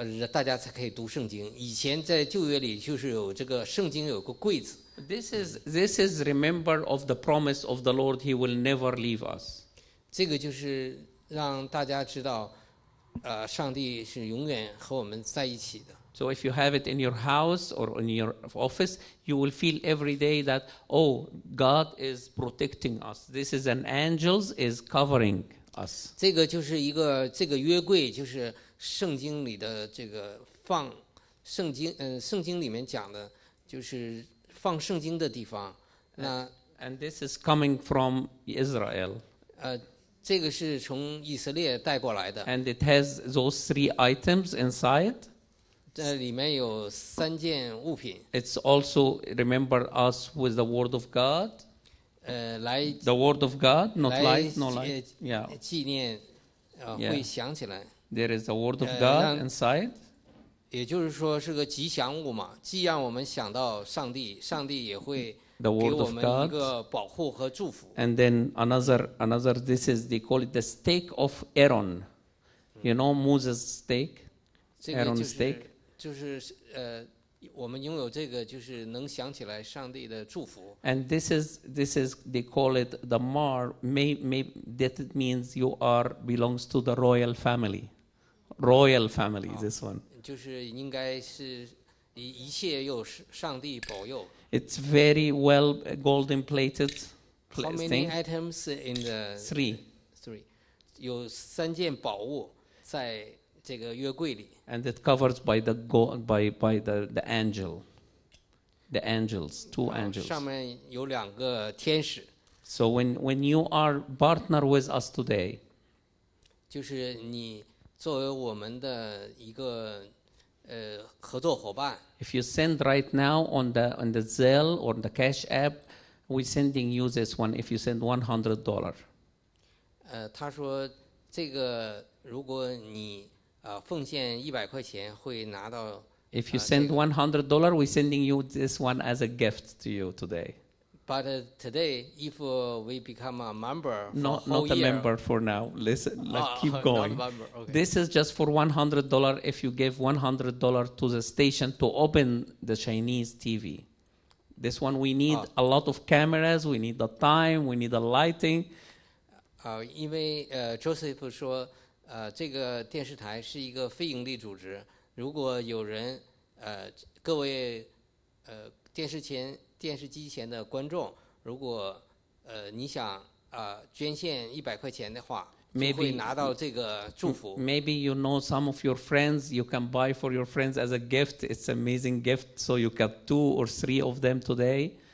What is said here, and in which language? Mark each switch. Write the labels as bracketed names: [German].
[Chinese] 大家才可以读圣经。以前在旧约里就是有这个圣经有个柜子。 [English] This is remember of the promise of the Lord. He will never leave us. [Chinese] 这个就是让大家知道，上帝是永远和我们在一起的。 [English] So if you have it in your house or in your office, you will feel every day that, oh, God is protecting us. This is an angel is covering us. [Chinese] 这个就是一个这个约柜，就是圣经里的这个放圣经，圣经里面讲的就是放圣经的地方。那 [English] and this is coming from Israel. [Chinese] 这个是从以色列带过来的。 [English] And it has those three items inside. [Chinese] 这里面有三件物品。 [English] It's also remember us with the word of God. [Chinese] 来 [English] the word of God, not light, no light. Yeah. [Chinese] 纪念，会想起来。 [English] There is the word of God inside. [Chinese] 也就是说是个吉祥物嘛，既让我们想到上帝，上帝也会给我们一个保护和祝福。 [English] And then another, this is they call it the stake of Aaron. You know Moses' stake, Aaron's stake. [Chinese] 就是我们拥有这个就是能想起来上帝的祝福。 [English] And this is they call it the mar, maybe that means you are belongs to the royal family. Royal family, this one. [Chinese] 就是应该是一切有上帝保佑。 [English] It's very well golden plated. How many items in the three? [Chinese] 有三件宝物在这个约柜里。 [English] And it covers by the God, by the angel, the angels, two angels. [Chinese] 上面有两个天使。 [English] So when you are partner with us today, [Chinese] 就是你作为我们的一个合作伙伴。 [English] If you send right now on the Zelle or the Cash App, we sending you this one. If you send $100. [Chinese] 他说这个如果你奉献100块钱会拿到。 [English] If you send $100, we're sending you this one as a gift to you today. But today, if we become a member, not a member for now. Listen, keep going. Not a member, okay. This is just for $100. If you give $100 to the station to open the Chinese TV, this one we need a lot of cameras. We need the time. We need the lighting. Because Joseph [Chinese] 说。这个电视台是一个非盈利组织，如果有人各位电视机前的观众，如果你想捐献100块钱的话， [English] maybe, [Chinese] 就会拿到这个祝福。 [English] Maybe you know some of your friends, you can buy for your friends as a gift. It's an amazing gift. So you got two or three of them today.